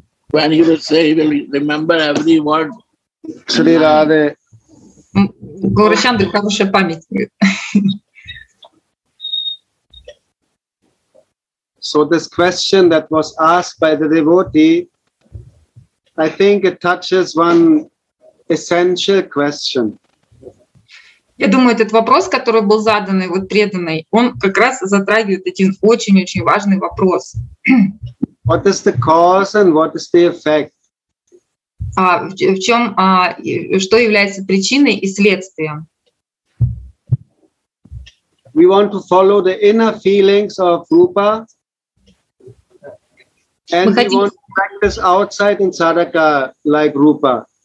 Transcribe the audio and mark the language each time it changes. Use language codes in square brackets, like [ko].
[en] When he will say, he will remember every word. [ru] Шри Раде. Гурачандр, хорошая память. [en] So this question that was asked by the devotee, I think it touches one essential question. [ru] Я думаю, этот вопрос, который был задан вот преданный, он как раз затрагивает один очень-очень важный вопрос. [en] What is the cause and what is the effect? [ru] Что является причиной и следствием? [en] We want to follow the inner feelings of Rupa and we want to practice outside in Sadaka like Rupa.